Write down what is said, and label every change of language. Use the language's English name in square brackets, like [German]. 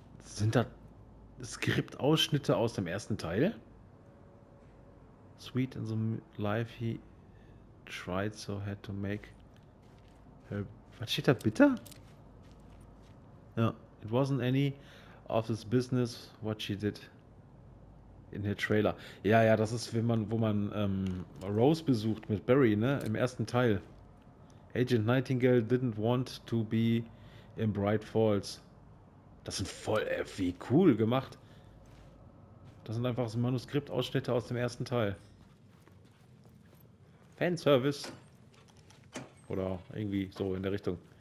[German] Sind das Skriptausschnitte aus dem ersten Teil? [English] Sweet in the life he tried so had to make her. [German] Was steht da? Bitter? Ja. [English] It wasn't any of his business what she did in her trailer. [German] Ja, ja, das ist, wenn man, wo man Rose besucht mit Barry, ne? Im ersten Teil. [English] Agent Nightingale didn't want to be in Bright Falls. [German] Das sind voll, wie cool gemacht. Das sind einfach so Manuskriptausschnitte aus dem ersten Teil. Fanservice. Oder irgendwie so in der Richtung.